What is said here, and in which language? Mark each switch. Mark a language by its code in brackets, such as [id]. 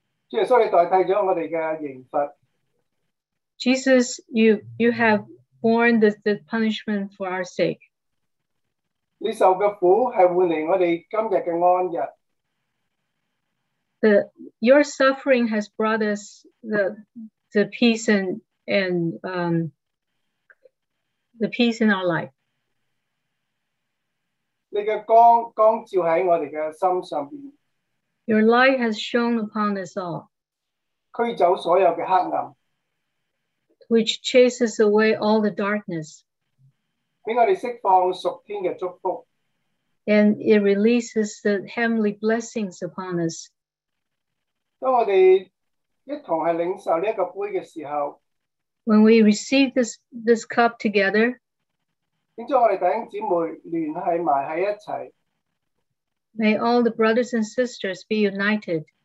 [zh] 主耶稣，你代替了我们的刑罚。 [en] Jesus, you have borne the punishment for our sake. [zh] 你受的苦是换来我们今天的安逸。 [en] Your suffering has brought us the peace and the peace in our life. [zh] 你的光照在我们的心上面。 [en] Your light has shone upon us all, [zh] 驱走所有的黑暗, [en] which chases away all the darkness, [zh] 给我们释放属天的祝福, [en] And it releases the heavenly blessings upon us. When we receive this cup together, may all the brothers and sisters be united.